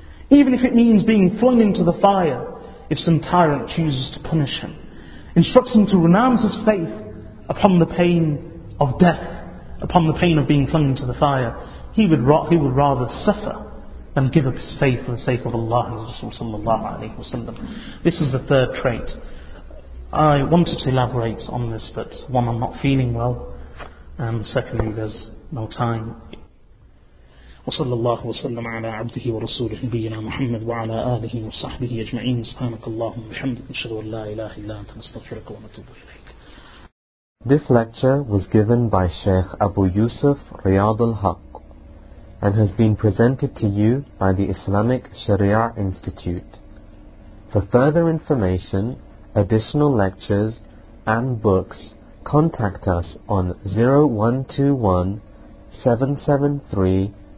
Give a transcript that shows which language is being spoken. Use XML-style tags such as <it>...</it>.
<en>Even if it means being flung into the fire, if some tyrant chooses to punish him, instructs him to renounce his faith upon the pain of death, upon the pain of being flung into the fire, he would rather suffer than give up his faith for the sake of Allah and his Rasul sallallahu alayhi wa sallam. This is the third trait. I wanted to elaborate on this, but one, I'm not feeling well, and secondly, there's no time.</en> <ar>وصلى الله وسلم على عبده ورسوله نبينا محمد وعلى آله وصحبه أجمعين. سبحانك اللهم وبحمدك أشهد أن لا إله إلا أنت نستغفرك ونتوب إليك.</ar> <en>This lecture was given by Sheikh Abu Yusuf Riyad al-Haq and has been presented to you by the Islamic Sharia Institute. For further information, additional lectures and books, contact us on 0121 773</en>